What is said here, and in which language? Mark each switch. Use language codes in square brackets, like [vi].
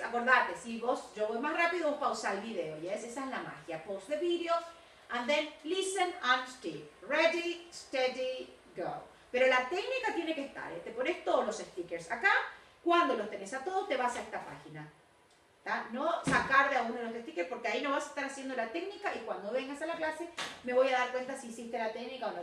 [es] Acordate, si vos, yo voy más rápido, vos pausa el video, yes? Esa es la magia. [en] Pause the video and then listen and stick. Ready, steady, go. [es] Pero la técnica tiene que estar, ¿eh? Te pones todos los stickers acá. Cuando los tenés a todos, te vas a esta página. ¿Tá? No sacar de alguno de los stickers porque ahí no vas a estar haciendo la técnica y cuando vengas a la clase me voy a dar cuenta si hiciste la técnica o no.